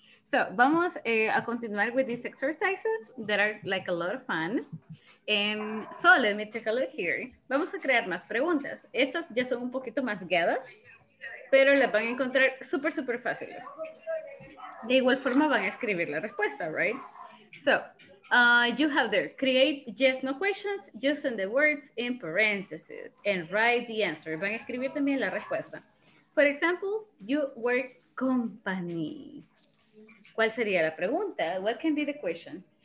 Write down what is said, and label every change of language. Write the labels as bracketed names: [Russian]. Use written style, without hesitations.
[English] So, [Spanish] vamos a continuar [English] with these exercises that are like a lot of fun. And so, let me take a look here. [Spanish] Vamos a crear más preguntas. Estas ya son un poquito más guiadas, pero las van a encontrar súper, súper fáciles. De igual forma, van a escribir la respuesta, right? [English] So, you have there, create yes, no questions, using the words in parentheses and write the answer. [Spanish] Van a escribir también la respuesta. [English] For example, you work company. [Spanish] ¿Cuál sería la pregunta? [English] What can be the question?